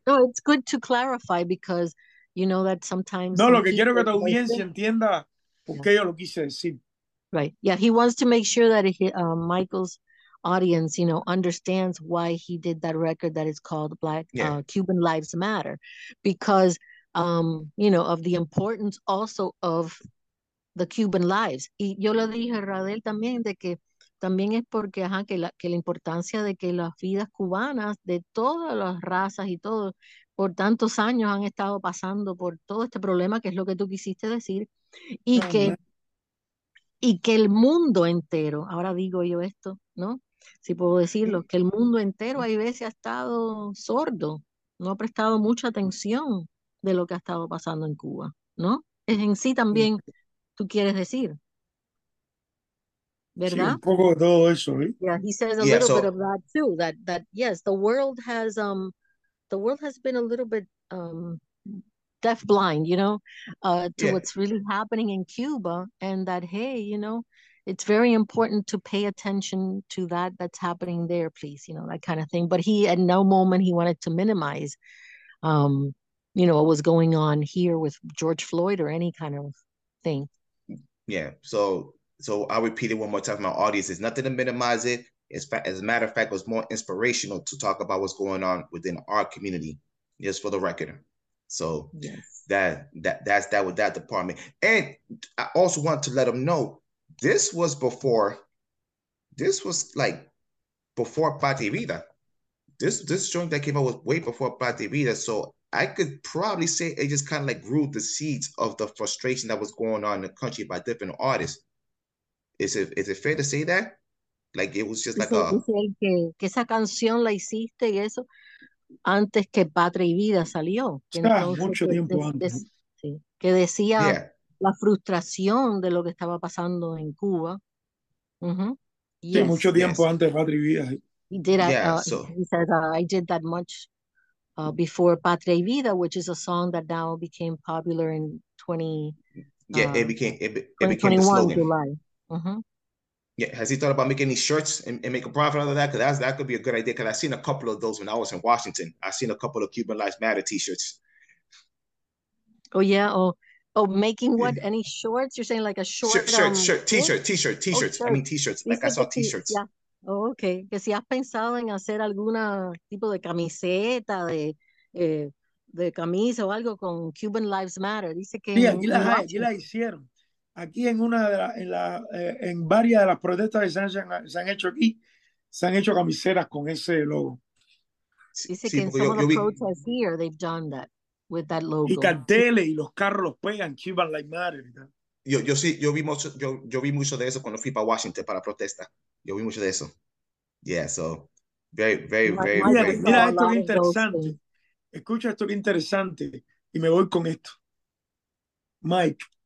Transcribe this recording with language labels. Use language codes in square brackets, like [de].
[en] No, it's good to clarify because you know that sometimes... [es] No, lo que quiero que tu audiencia entienda por qué yo lo quise decir. [en] Right. Yeah, he wants to make sure that he, Michael's audience, you know, understands why he did that record that is called Black Cuban Lives Matter. Because... you know, of the importance also of the Cuban lives. [es] Y yo le dije a Raudel también de que también es porque, ajá, que la importancia de que las vidas cubanas de todas las razas y todo, por tantos años han estado pasando por todo este problema, que es lo que tú quisiste decir, y que, y que el mundo entero, ahora digo yo esto, ¿no? Si puedo decirlo, que el mundo entero hay veces ha estado sordo, no ha prestado mucha atención de lo que ha estado pasando en Cuba, ¿no? Es en sí también, tú quieres decir, ¿verdad? Sí, un poco de todo eso, ¿eh? [en] Yeah, he says a little bit of that too, that, that yes, the world has been a little bit deaf blind, you know, to what's really happening in Cuba, and that, hey, you know, it's very important to pay attention to that that's happening there, please, you know, that kind of thing. But he, at no moment, he wanted to minimize, you know, what was going on here with George Floyd or any kind of thing. Yeah, so I repeat it one more time for my audience. It's nothing to minimize it. As a matter of fact, it was more inspirational to talk about what's going on within our community, just for the record. So that's with that department. And I also want to let them know, this was before, this was like before Patria Vida. This joint that came out was way before Patria Vida. So I could probably say it just kind of like grew the seeds of the frustration that was going on in the country by different artists. Is it fair to say that? Like it was just like [es] que esa canción la hiciste y eso antes que Patria y Vida salió. Mucho tiempo antes. Que decía la frustración de lo que estaba pasando en Cuba. [en] Yes. [es] Sí, mucho tiempo antes Patria y Vida. [en] I did that much before Patria y Vida, which is a song that now became popular in 20. Yeah, it became the slogan. July. Yeah, has he thought about making any shirts and make a profit out of that? Because that could be a good idea. Because I've seen a couple of those when I was in Washington. I've seen a couple of Cuban Lives Matter T-shirts. Oh yeah, oh, making what? Any shorts? You're saying like a short T-shirts. Like I saw T-shirts. Yeah. Oh, okay. [es] Que si has pensado en hacer alguna tipo de camiseta de camisa o algo con Cuban Lives Matter, dice que. Yeah, ya la hicieron. Aquí en una de las, en varias de las protestas que se han hecho aquí, se han hecho camisetas con ese logo. Dice que [en] en some of the protests here, they've done that, with that logo. [es] Y carteles y los carros los pegan, Cuban Lives Matter. Yo vi mucho de eso cuando fui para Washington para protesta. Yo vi mucho de eso. [en] Yeah, so, very, very, very, very. [es] Mira esto que interesante. Escucha esto que interesante. Y me voy con esto. Mike.